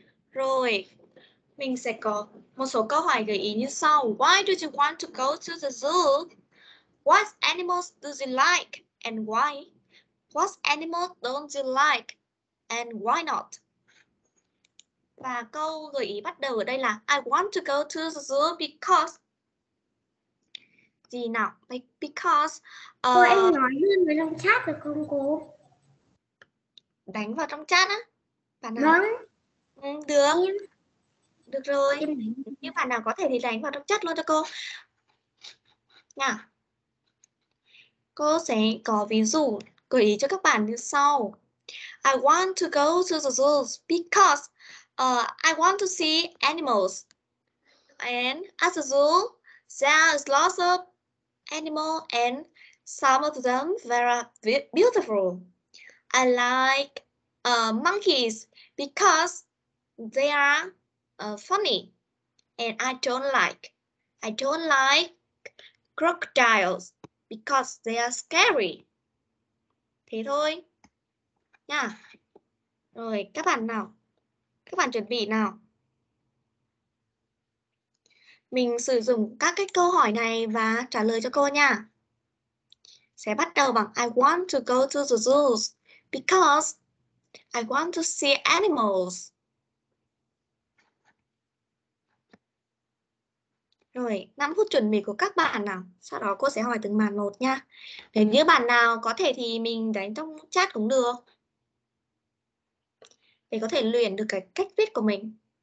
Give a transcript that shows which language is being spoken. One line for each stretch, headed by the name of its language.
Vietnamese: Rồi, mình sẽ có một số câu hỏi gợi ý như sau.
English: Why do you want to go to the zoo? What animals do you like and why? What animals don't you like and why not?
Vietnamese: Và câu gợi ý bắt đầu ở đây là
English: I want to go to the zoo because.
Vietnamese: Gì nào? Because. Cô em nói luôn vào trong chat được không cô? Đánh vào trong chat á? Bạn nào? Vâng. Ừ, được. Em... Được rồi. Em... Nhưng bạn nào có thể thì đánh vào trong chat luôn cho cô. Nha. Cô sẽ có ví dụ gợi ý cho các bạn như sau.
English: I want to go to the zoo because I want to see animals. And at the zoo, there's lots of animals and some of them very beautiful. I like monkeys because they are funny. And I don't like crocodiles because they are scary.
Vietnamese: Thế thôi. Nha. Rồi, các bạn nào? Các bạn chuẩn bị nào? Mình sử dụng các cái câu hỏi này và trả lời cho cô nha. Sẽ bắt đầu bằng
English: I want to go to the zoo because I want to see animals.
Vietnamese: Rồi, 5 phút chuẩn bị của các bạn nào. Sau đó cô sẽ hỏi từng bạn một nha. Nếu như bạn nào có thể thì mình đánh trong chat cũng được. Để có thể luyện được cái cách viết của mình.